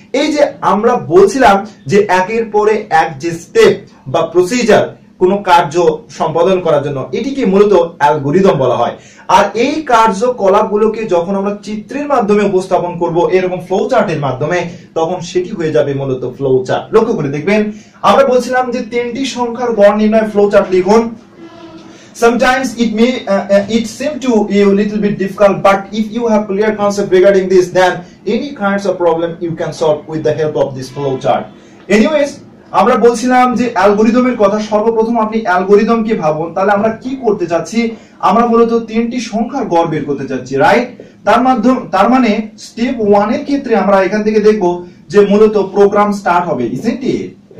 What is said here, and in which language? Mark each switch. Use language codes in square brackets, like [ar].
[bn] এই যে আমরা বলছিলাম যে একের পরে এক যে স্টেপ বা প্রসিজার কোনো কার্য সম্পাদন করার জন্য এটিকে মূলত অ্যালগোরিদম বলা হয়। আর এই কার্যকলাপগুলোকে যখন আমরা চিত্রের মাধ্যমে উপস্থাপন করব এরকম ফ্লো চার্টের মাধ্যমে তখন সেটি হয়ে যাবে মূলত ফ্লো চার্ট। লক্ষ্য করে দেখবেন আমরা বলছিলাম যে তিনটি সংখ্যার গড় নির্ণয় ফ্লো চার্ট লিখুন। [en] Sometimes it may it seem to you a little bit difficult, but if you have clear concept regarding this, then any kinds of problem you can solve with the help of this flow chart. [bn] Anyways, আমরা বলছিলাম যে algorithm এর কথা, সর্বপ্রথম আপনি algorithm কে ভাবুন, তাহলে আমরা কি করতে চাচ্ছি? আমরা মূলত তিনটি সংখ্যার গড় বের করতে চাচ্ছি, রাইট? তার মানে স্টেপ ওয়ান এর ক্ষেত্রে আমরা এখান থেকে দেখবো যে মূলত প্রোগ্রাম স্টার্ট হবে, [en] Isn't it?